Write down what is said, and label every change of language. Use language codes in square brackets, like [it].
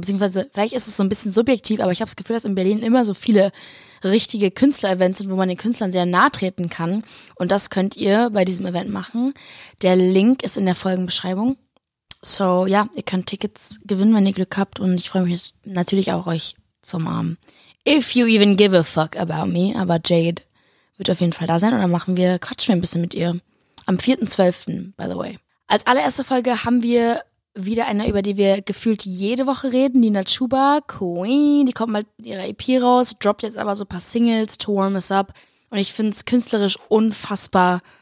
[de] Beziehungsweise, vielleicht ist es so ein bisschen subjektiv, aber ich habe das Gefühl, dass in Berlin immer so viele richtige Künstler-Events sind, wo man den Künstlern sehr nahe treten kann. Und das könnt ihr bei diesem Event machen. Der Link ist in der Folgenbeschreibung. So, ja, ihr könnt Tickets gewinnen, wenn ihr Glück habt. Und ich freue mich natürlich auch, euch zu umarmen. [en] If you even give a fuck about me. [de] Aber Jade wird auf jeden Fall da sein. Und dann machen wir, quatschen wir ein bisschen mit ihr. Am 4.12., [en] by the way. [de] Als allererste Folge haben wir wieder eine, über die wir gefühlt jede Woche reden, Nina Chuba, Queen, die kommt mal mit ihrer EP raus, droppt jetzt aber so ein paar Singles, To Warm Us Up und ich finde es künstlerisch unfassbar,